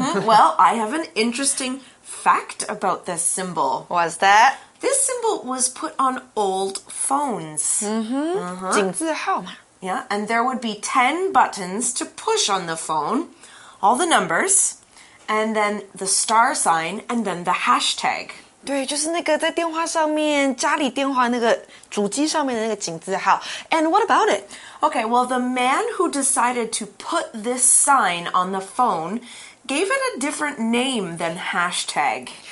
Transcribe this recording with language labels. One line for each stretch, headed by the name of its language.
English: Well, I have an interesting fact about this symbol. What's that? This symbol was put on old phones. Yeah, and there would be 10 buttons to push on the phone, all the numbers, and then the star sign, and then the hashtag.
Chinese: 对，就是那个在电话上面，家里电话那个主机上面的那个井字号。
English: And what about it? Okay, well, the man who decided to put this sign on the phone gave it a different name than hashtag.